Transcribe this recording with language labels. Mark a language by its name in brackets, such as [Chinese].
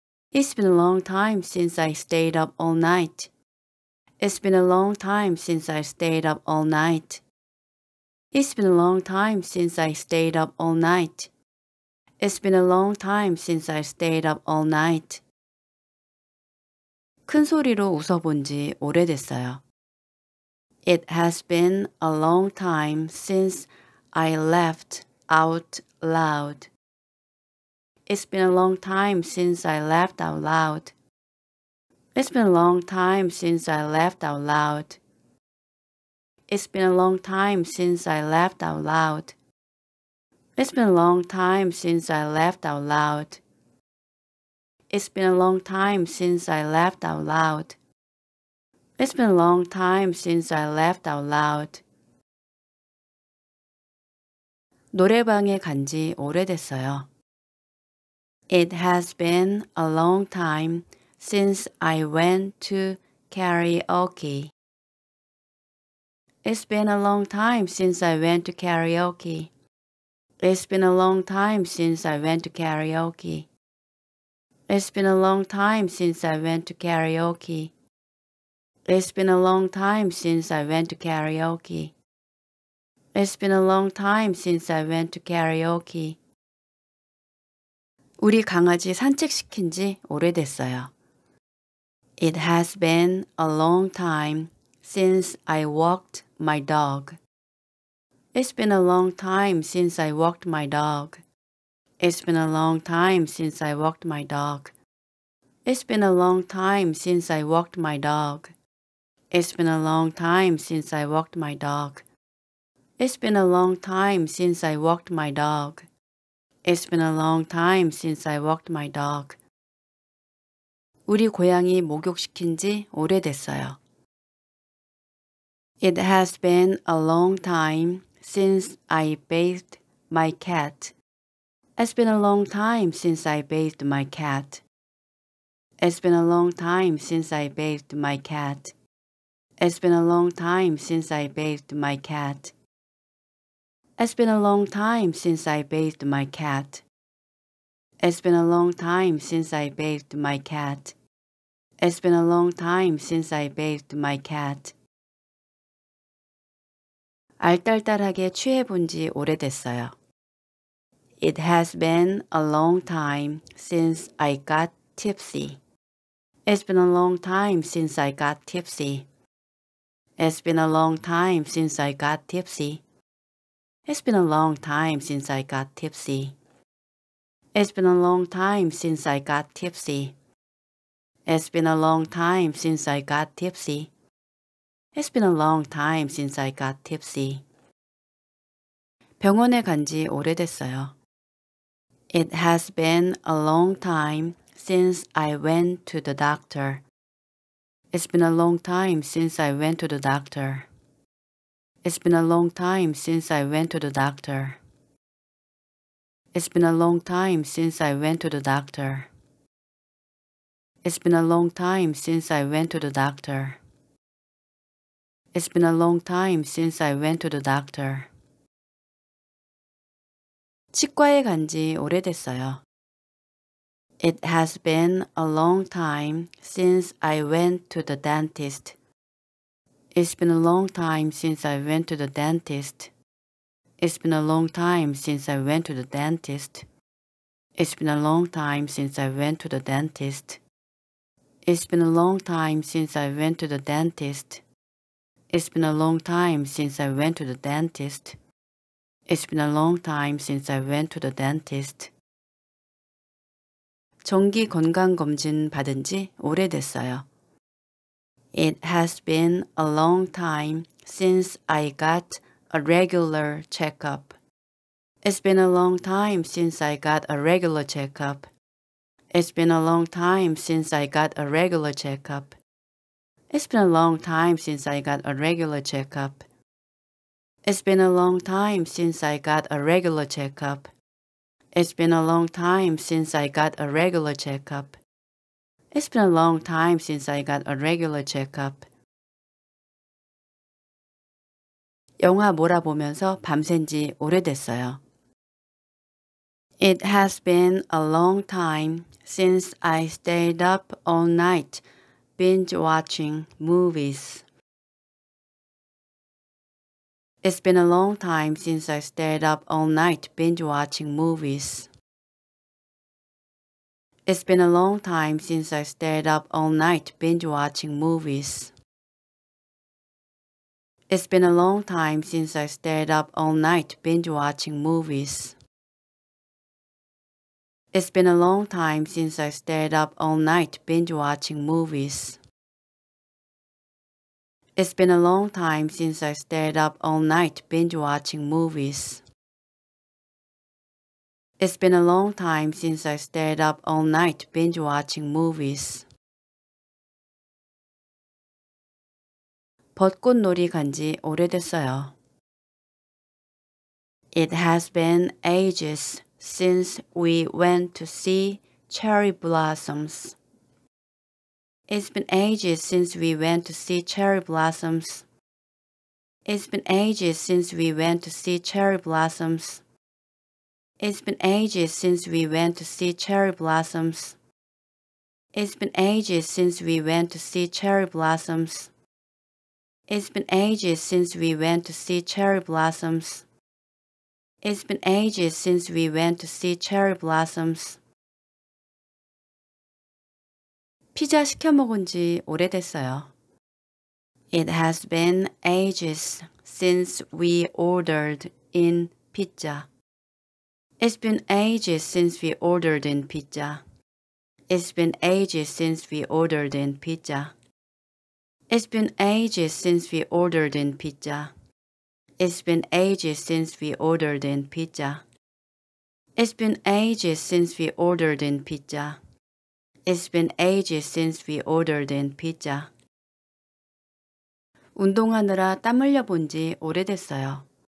[English] It's been a long time since I stayed up all night. It's been a long time since I stayed up all night. It's been a long time since I stayed up all night. It's been a long time since I stayed up all night. [Korean] 큰 소리로 웃어본 지 오래됐어요. [English] It has been a long time since I laughed out loud. It's been a long time since I laughed out loud. It's been a long time since I laughed out loud. It's been a long time since I laughed out loud. It's been a long time since I laughed out loud. It's been a long time since I laughed out loud. It's been a long time since I laughed out loud. [Korean] 노래방에 간 지 오래됐어요. [English] It has been a long time since I went to karaoke. It's been a long time since I went to karaoke. It's been a long time since I went to karaoke. It's been a long time since I went to karaoke. It's been a long time since I went to karaoke. It's been a long time since I went to karaoke. [Korean] 우리 강아지 산책시킨 지 오래됐어요. [English] It has been a long time since I walked my dog. It's been a long time since I walked my dog. It's been a long time since I walked my dog. It's been a long time since I walked my dog. It's been a long time since I walked my dog. It's been a long time since I walked my dog. It's been a long time since I walked my dog. [Korean] 우리 고양이 목욕시킨 지 오래됐어요. [English] It has been a long time since I bathed my cat. It's been a long time since I bathed my cat. It's been a long time since I bathed my cat. It's been a long time since I bathed my cat. It's been a long time since I bathed my cat. It's been a long time since I bathed my cat. It's been a long time since I bathed my cat. [Korean] 알딸딸하게 취해본 지 오래됐어요. [English] It has been a long time since I got tipsy. It's been a long time since I got tipsy. It's been a long time since I got tipsy. It's been a long time since I got tipsy. It's been a long time since I got tipsy. It's been a long time since I got tipsy. It's been a long time since I got tipsy. [Korean] 병원에 간 지 오래됐어요. [English] It has been a long time since I went to the doctor. It's been a long time since I went to the doctor. It's been a long time since I went to the doctor. It's been a long time since I went to the doctor. It's been a long time since I went to the doctor. It's been a long time since I went to the doctor. [Korean] 치과에 간 지 오래됐어요. [English] It has been a long time since I went to the dentist. It's been a long time since I went to the dentist. It's been a long time since I went to the dentist. It's been a long time since I went to the dentist. It's been a long time since I went to the dentist. It's been a long time since I went to the dentist. It's been a long time since I went to the dentist. [Korean] 정기 건강검진 받은 지 오래됐어요. [English] It has been a long time since I got a regular checkup. It's been a long time since I got a regular checkup. It's been a long time since I got a regular checkup. It's been a long time since I got a regular checkup. It's been a long time since I got a regular checkup. It's been a long time since I got a regular checkup. It's been a long time since I got a regular checkup. [Korean] 영화 몰아보면서 밤샌 지 오래됐어요. [English] It has been a long time since I stayed up all night binge watching movies. It's been a long time since I stayed up all night binge watching movies. It's been a long time since I stayed up all night binge watching movies. It's been a long time since I stayed up all night binge watching movies. It's been a long time since I stayed up all night binge watching movies. It's been a long time since I stayed up all night binge watching movies. It's been a long time since I stayed up all night binge watching movies. [Korean] 벚꽃놀이 간 지 오래됐어요. [English] It has been ages since we went to see cherry blossoms. It's been ages since we went to see cherry blossoms. It's been ages since we went to see cherry blossoms. It's been ages since we went to see cherry blossoms. It's been ages since we went to see cherry blossoms. It's been ages since we went to see cherry blossoms. It's been ages since we went to see cherry blossoms. [Korean] 피자 시켜 먹은 지 오래됐어요. [English] It has been ages since we ordered in pizza. It's been ages since we ordered in pizza. It's been ages since we ordered in pizza. It's been ages since we ordered in pizza. It's been ages since we ordered in pizza. It's been ages since we ordered in pizza. It's been ages since we ordered in pizza. [Korean] 운동하느라 땀 흘려 본 지 오래됐어요.